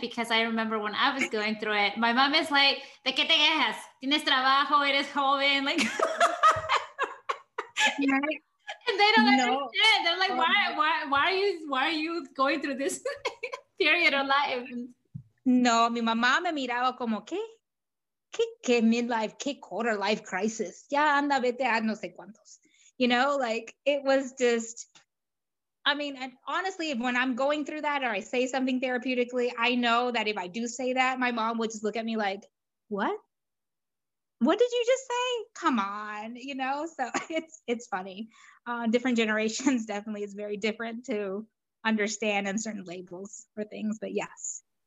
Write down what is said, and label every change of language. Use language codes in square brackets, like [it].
[en] Because I remember when I was going through it, my mom is like, [es] ¿De qué te quejas? ¿Tienes trabajo? ¿Eres joven? [en] Like, right. And they don't understand. They're like, why are you going through this period of life? [es] No, mi mamá me miraba como, ¿qué midlife, qué quarter life crisis? Ya anda, vete a no sé cuántos. [en] You know, like, it was just, I mean, and honestly, when I'm going through that or I say something therapeutically, I know that if I do say that, my mom would just look at me like, what did you just say? Come on, you know? So it's funny. Different generations definitely is very different to understand and certain labels for things, but yes.